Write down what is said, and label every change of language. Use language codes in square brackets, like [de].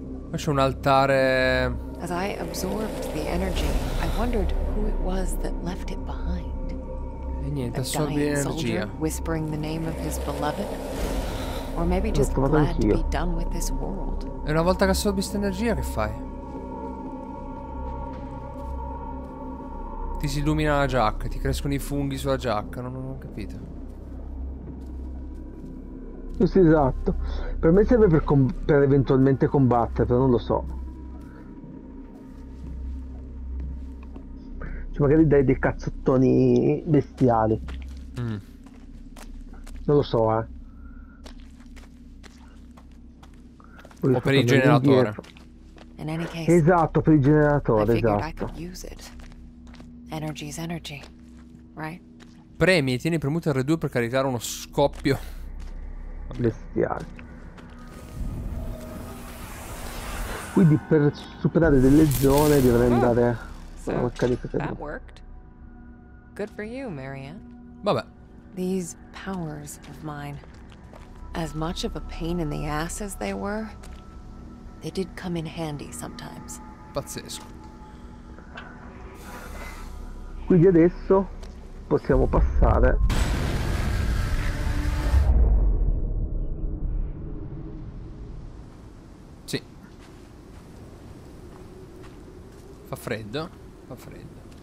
[it] Ma c'è un altare. [en] As I absorbed the energy, I wondered who it was that left it behind. [it] E niente, assorbì l'energia. [en] Whispering the name of his beloved. Or maybe just glad to be done with this world. [it] E una volta che assorbi questa energia, che fai? Ti si illumina la giacca, ti crescono i funghi sulla giacca, non ho capito. Sì, esatto. Per me serve per eventualmente combattere, però non lo so. Cioè, magari dai dei cazzottoni bestiali. Non lo so, eh. Poi o per il generatore. [en] In any case, [it] esatto, per il generatore, esatto. [en] Energy's energy, right? [it] Premi e tieni premuto R2 per caricare uno scoppio. Bestiale. Quindi per superare delle zone dovrei andare a caricare. [en] So, that worked. Good for you, Marianne. Vabbè. These powers of mine, as much of a pain in the ass as they were, they did come in handy sometimes. [it] Pazzesco. Quindi adesso possiamo passare. Sì. Fa freddo, fa freddo.